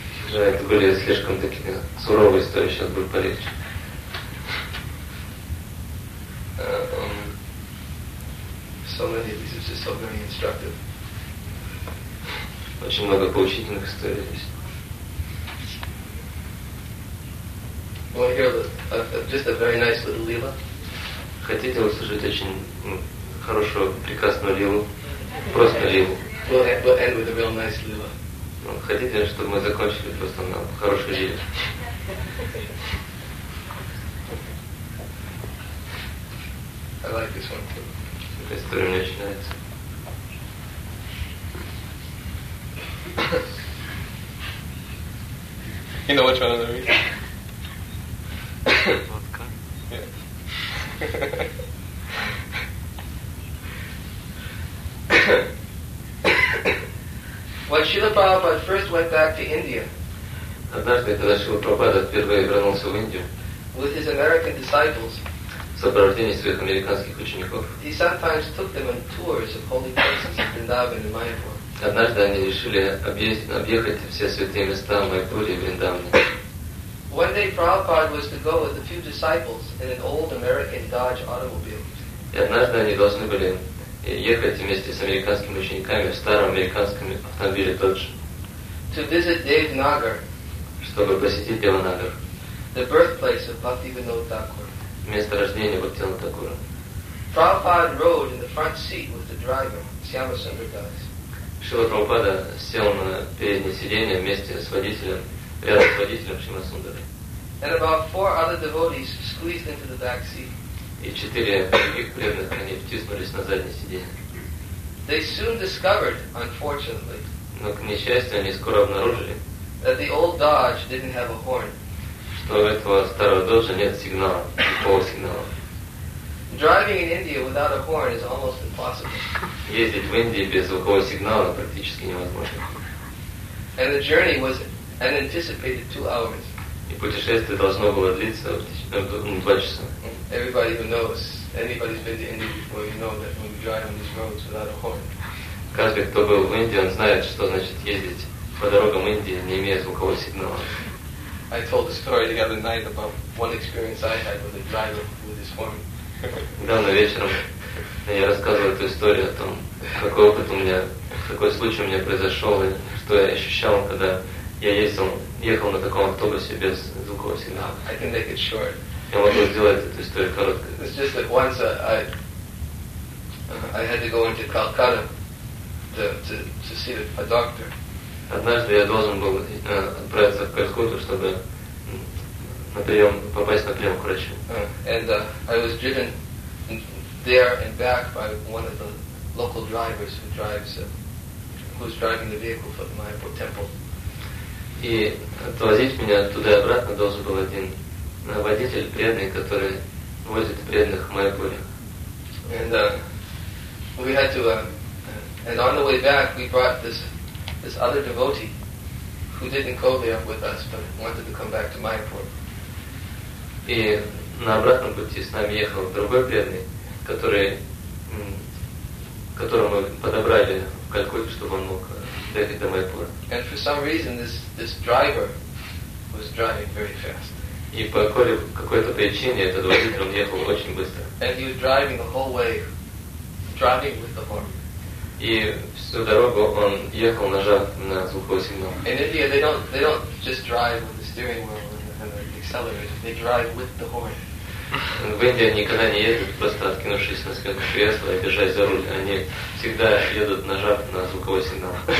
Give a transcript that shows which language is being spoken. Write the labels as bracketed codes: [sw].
[ru] Да, это были слишком такие суровые истории, сейчас будет полегче. [en] So many of these are just so very instructive. [ru] Очень много поучительных историй здесь. [en] Want to hear just a very nice little lila? [ru] Хотите услышать очень хорошую, прекрасную лилу? Просто лилу. [en] We'll end with a real nice lila. [ru] Хотите, чтобы мы закончили просто на хорошей лиле? [en] I like this one too. [ru] История начинается. [en] You know which one I'm gonna read? [ru] Водка. [en] Yeah. When Srila Prabhupada first went back to India, [ru] однажды, когда Шрила Прабхупада впервые вернулся в Индию, [en] with his American disciples, [ru] в сопровождении своих американских учеников, [en] he sometimes took them on tours of holy places in Vrindavan and Mayapur. [ru] Однажды они решили объехать все святые места в Майпуре и Вриндаване. [en] One day Prabhupada was to go with a few disciples in an old American Dodge automobile. [ru] И однажды они должны были ехать вместе с американскими учениками в старом американском автомобиле Dodge. [en] To visit Devanagar. [ru] Чтобы посетить Devanagar. [en] The birthplace of Bhaktivinoda Thakur. [ru] Место рождения Бхактивинода Такура. [en] Prabhupada rode in the front seat with the driver, Shyama Sundardas. [ru] Шрила Прабхупада сел на переднее сиденье вместе с водителем, рядом с водителем Шрила Сундары. [en] And about four other devotees squeezed into the back seat. [ru] И четыре других преданных, они втиснулись на заднее сиденье. [en] They soon discovered, unfortunately, [ru] но, к несчастью, они скоро обнаружили, [en] that the old Dodge didn't have a horn. [ru] Но у этого старого Доджа нет сигнала, никакого сигнала. [en] Driving in India without a horn is almost impossible. [ru] Ездить в Индии без звукового сигнала практически невозможно. [en] And the journey was an anticipated 2 hours. [ru] И путешествие должно было длиться 2 часа. [en] Everybody who knows, anybody's been to India before, you know that when you drive on these roads without a horn. [ru] Каждый, кто был в Индии, он знает, что значит ездить по дорогам Индии, не имея звукового сигнала. [en] I told a story the other night about one experience I had with a driver with his horn. [ru] Недавно вечером я рассказывал эту историю о том, какой опыт у меня, какой случай у меня произошел и что я ощущал, когда Я ехал на таком автобусе без звукового сигнала. [en] I can make it short. [ru] Я могу сделать эту историю короткой. [en] It's just that once I had to go into Calcutta to see a doctor. [ru] Однажды я должен был отправиться в Калькутту, чтобы на прием, попасть на прием к врачу. [en] I was driven there and back by one of the local drivers who's driving the vehicle for the Mayapur temple. [ru] И отвозить меня туда и обратно должен был один водитель преданный, который возит преданных в Майпуре. [en] And we had to, and on the way back, we brought this other devotee who didn't go there with us, but wanted to come back to Mayapur. [ru] И на обратном пути с нами ехал другой преданный, которого мы подобрали в Калькутте, чтобы он мог доехать до Майпура. [en] And for some reason, this driver was driving very fast. [ru] И по какой-то причине этот водитель, он ехал очень быстро. [en] And he was driving the whole way, driving with the horn. [ru] И всю дорогу он ехал, нажав на звуковой сигнал. [en] In India, they don't just drive with the steering wheel and the accelerator. They drive with the horn. [ru] В Индии они никогда не ездят, просто откинувшись на спинку кресла и держась за руль. Они всегда едут, нажав на звуковой сигнал.